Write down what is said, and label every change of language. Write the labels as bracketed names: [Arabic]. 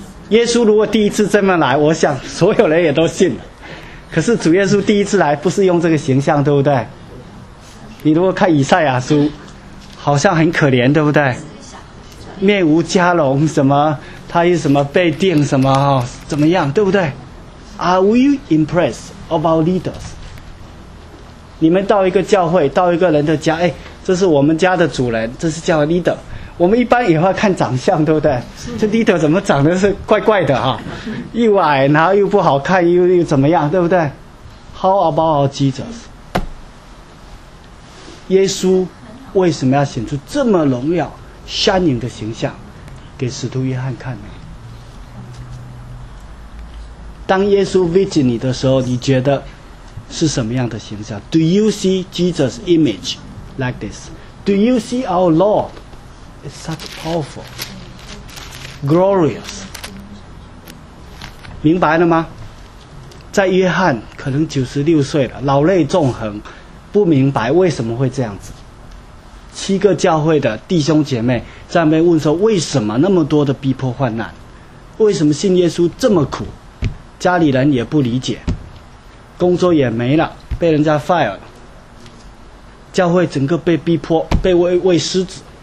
[Chinese] 耶稣如果第一次这么来，我想所有人也都信了。可是主耶稣第一次来不是用这个形象，对不对？你如果看以赛亚书，好像很可怜，对不对？面无家容，什么他有什么被钉什么、哦、怎么样，对不对？ [English] Are we impressed of our leaders? [Chinese] 你们到一个教会，到一个人的家，哎，这是我们家的主人，这是叫 leader。我们一般也会看长相，对不对？这 leader 怎么长得是怪怪的哈、啊？又矮，然后又不好看，又怎么样，对不对 ？ [English] How about our Jesus? [Chinese] 耶稣为什么要显出这么荣耀、shining的形象给使徒约翰看呢？当耶稣 visit 你的时候，你觉得是什么样的形象 ？ [English] Do you see Jesus' image like this? Do you see our Lord? It's such powerful, glorious. [Chinese] 明白了吗？在约翰可能96岁了，老泪纵横，不明白为什么会这样子。七个教会的弟兄姐妹在那边问说：为什么那么多的逼迫患难？为什么信耶稣这么苦？家里人也不理解，工作也没了，被人家 fire 了，教会整个被逼迫，被喂狮子。